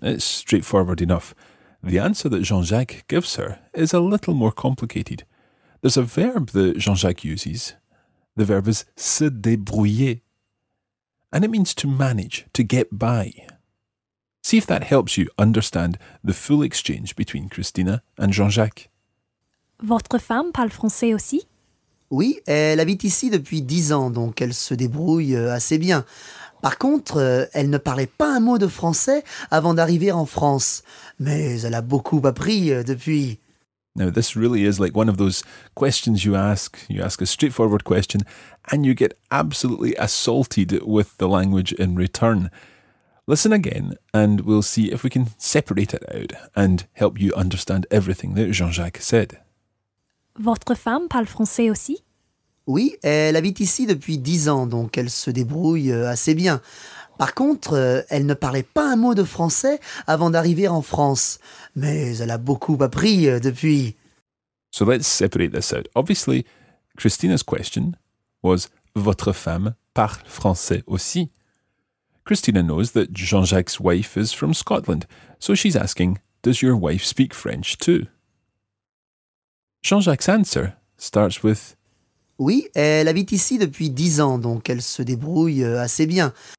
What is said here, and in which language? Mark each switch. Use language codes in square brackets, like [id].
[en] It's straightforward enough. The answer that Jean-Jacques gives her is a little more complicated. There's a verb that Jean-Jacques uses. The verb is se débrouiller. And it means to manage, to get by. See if that helps you understand the full exchange between Christina and Jean-Jacques. [fr] Votre femme parle français aussi? Oui, elle habite ici depuis 10 ans, donc elle se débrouille assez bien. Par contre, elle ne parlait pas un mot de français avant d'arriver en France. Mais elle a beaucoup appris depuis. [en] Now, this really is like one of those questions you ask. You ask a straightforward question and you get absolutely assaulted with the language in return. Listen again and we'll see if we can separate it out and help you understand everything that Jean-Jacques said. [fr] Votre femme parle français aussi? Oui, elle habite ici depuis 10 ans, donc elle se débrouille assez bien. Par contre, elle ne parlait pas un mot de français avant d'arriver en France. Mais elle a beaucoup appris depuis. [en] So let's separate this out. Obviously, Christina's question was, [fr] votre femme parle français aussi? [en] Christina knows that Jean-Jacques' wife is from Scotland, so she's asking, does your wife speak French too? Jean-Jacques' answer starts with, [fr] oui, elle habite ici depuis 10 ans, donc elle se débrouille assez bien.